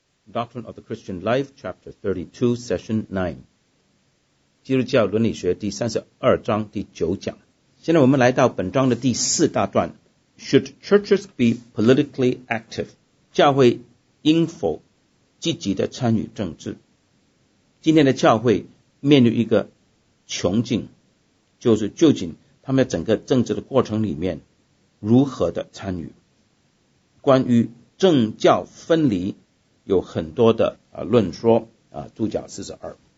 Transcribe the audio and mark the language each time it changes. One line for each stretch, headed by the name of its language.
English: Doctrine of the Christian Life, Chapter 32, Session 9.
Chinese: 基督教伦理学第32章第9讲。现在我们来到本章的第4大段。
English: Should churches be politically active?
Chinese: 教会应否积极的参与政治？今天的教会面临一个穷境，就是究竟他们在整个政治的过程里面如何的参与？关于政教分离有很多的论说注脚42。